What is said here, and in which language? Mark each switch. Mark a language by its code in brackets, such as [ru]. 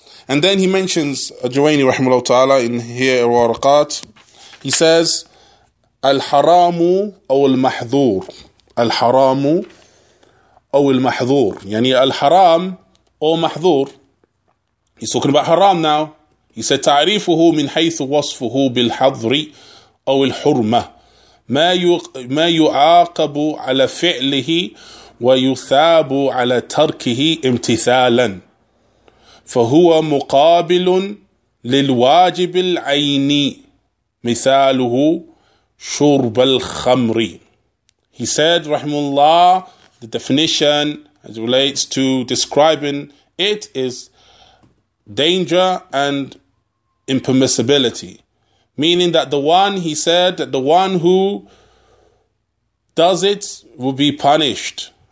[en] And then he mentions Juwayni rahimahullah ta'ala in here al-Waraqat. He says [ar] al-haramu aw al-mahdhur, al-haramu أو المحظور. يعني الحرام أو محظور. [en] He's talking about haram now. He said [ar] تعريفه من حيث وصفه بالحظر أو الحرمة ما يعاقب على فعله ويثاب على تركه امتثالا فهو مقابل للواجب العيني مثاله شرب الخمر. [en] He said رحمه الله, the definition as it relates to describing it is danger and impermissibility. Meaning that the one, he said, that the one who does it will be punished.